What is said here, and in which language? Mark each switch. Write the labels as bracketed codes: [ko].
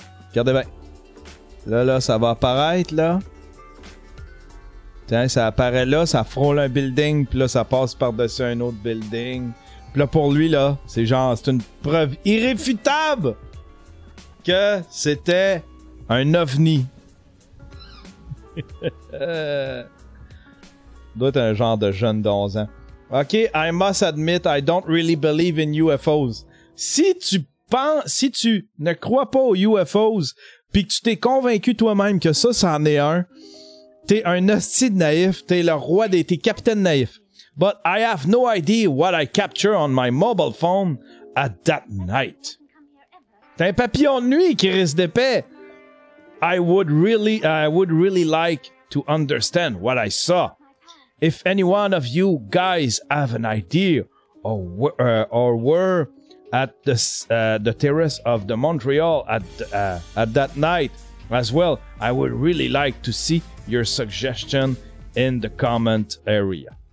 [fr] Regardez bien. Là, ça va apparaître là. Tiens, ça apparaît là, ça frôle un building, puis là, ça passe par-dessus un autre building. Puis là, pour lui, là, c'est genre, c'est une preuve irréfutable que c'était un ovni. doit être un genre de jeune de 11 ans. [en] Ok, I must admit, I don't really believe in UFOs. [fr] Si tu penses, si tu ne crois pas aux UFOs, puis que tu t'es convaincu toi-même que ça, ça en est un, t'es un hostie de naïf, t'es le roi des, t'es capitaine naïf. [en] But I have no idea what I capture on my mobile phone at that night. [fr] T'as un papillon de nuit qui risque d'épais. [en] I would really like to understand what I saw. If any one of you guys have an idea or were at the terrace of the Montreal at that night as well, I would really like to see your suggestion in the comment area.